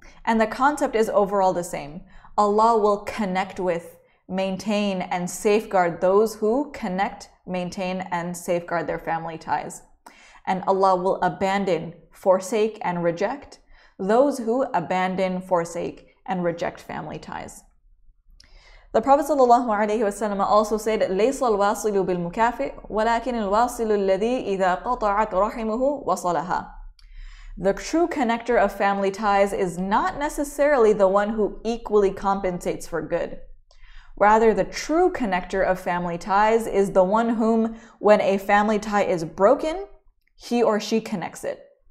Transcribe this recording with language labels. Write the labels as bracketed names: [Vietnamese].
[English] And the concept is overall the same. Allah will connect with, maintain, and safeguard those who connect, maintain, and safeguard their family ties. And Allah will abandon, forsake, and reject those who abandon, forsake, and reject family ties. The Prophet sallallahu alaihi wasallam also said, [Arabic] "ليس الواصل بالمكافئ ولكن الواصل الذي إذا قطعت رحمه وصلها." [English] The true connector of family ties is not necessarily the one who equally compensates for good. Rather, the true connector of family ties is the one whom, when a family tie is broken, he or she connects it.